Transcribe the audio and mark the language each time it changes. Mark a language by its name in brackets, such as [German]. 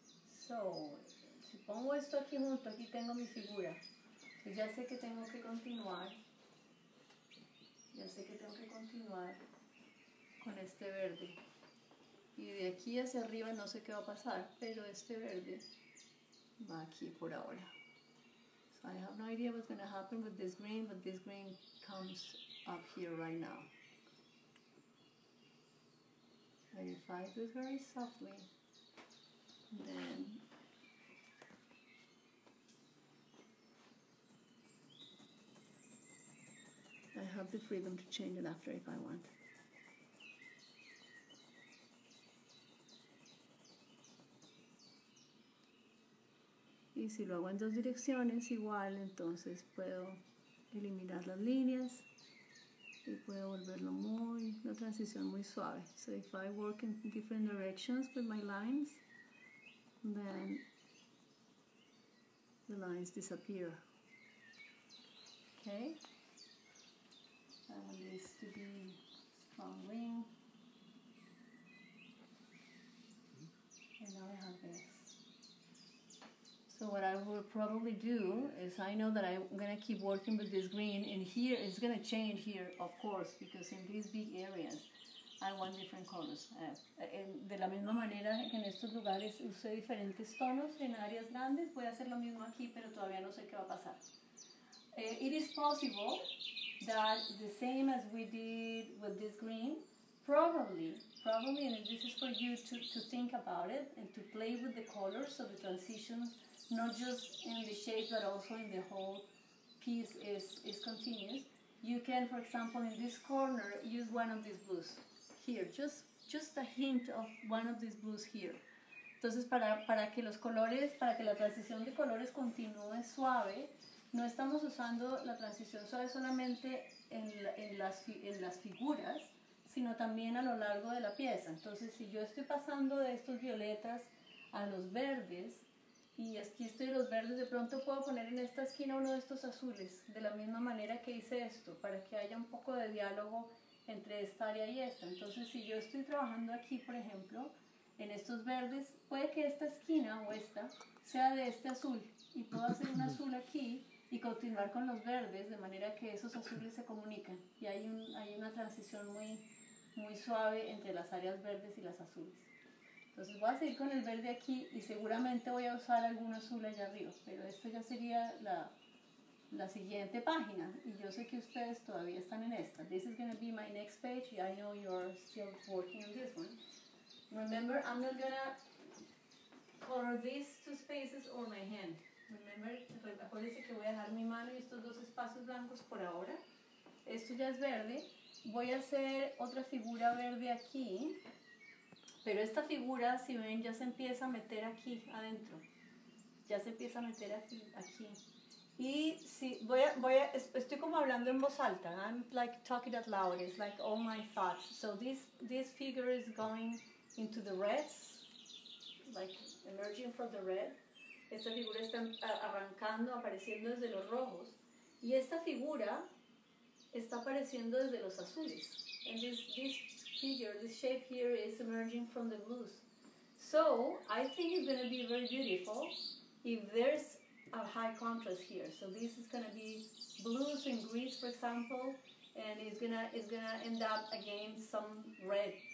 [Spanish] So, si pongo esto aquí junto, aquí tengo mi figura. Y ya sé que tengo que continuar. Ya sé que tengo que continuar con este verde. Y de aquí hacia arriba no sé qué va a pasar, pero este verde va aquí por ahora. [English] So I have no idea what's going to happen with this green, but this green comes up here right now. And if I do it very softly, then I have the freedom to change it after if I want. [Spanish] si lo hago en dos direcciones igual, entonces puedo eliminar las líneas y puedo volverlo muy, una transición muy suave. [English] So if I work in different directions with my lines, then the lines disappear. Okay? I want this to be strong wing. And now I have this. So what I will probably do is I know that I'm going to keep working with this green. And here, it's going to change here, of course, because in these big areas, I want different colors. [Spanish] De la misma manera que en estos lugares usé diferentes tonos en áreas grandes, voy a hacer lo mismo aquí, pero todavía no sé qué va a pasar. [English] It is possible that the same as we did with this green, probably, and this is for you to think about it and to play with the colors, so the transitions, not just in the shape, but also in the whole piece is continuous. You can, for example, in this corner, use one of these blues. Here, just a hint of one of these blues here. [Spanish] Entonces, para que los colores, para que la transición de colores continúe suave, no estamos usando la transición suave solamente en las figuras, sino también a lo largo de la pieza. Entonces, si yo estoy pasando de estos violetas a los verdes, y aquí estoy los verdes, de pronto puedo poner en esta esquina uno de estos azules, de la misma manera que hice esto, para que haya un poco de diálogo entre esta área y esta. Entonces, si yo estoy trabajando aquí, por ejemplo, en estos verdes, puede que esta esquina o esta sea de este azul y puedo hacer un azul aquí y continuar con los verdes de manera que esos azules se comunican y hay una transición muy, muy suave entre las áreas verdes y las azules. Entonces, voy a seguir con el verde aquí y seguramente voy a usar algún azul allá arriba, pero esto ya sería la siguiente página, y yo sé que ustedes todavía están en esta. [English] This is going to be my next page. I know you're still working on this one. Remember, I'm not going to color these two spaces or my hand. Remember, [Spanish] acuérdense que voy a dejar mi mano y estos dos espacios blancos por ahora. Esto ya es verde. Voy a hacer otra figura verde aquí, pero esta figura, si ven, ya se empieza a meter aquí adentro. Ya se empieza a meter aquí. Y sí, voy a, estoy como hablando en voz alta. [English] I'm like talking out loud. It's like all my thoughts. So this figure is going into the reds, like emerging from the red. [Spanish] Esta figura está arrancando, apareciendo desde los rojos. Y esta figura está apareciendo desde los azules. [English] And this figure, this shape here is emerging from the blues. So I think it's going to be very beautiful if there's a high contrast here. So this is going to be blues and greens, for example, and it's gonna end up again some red.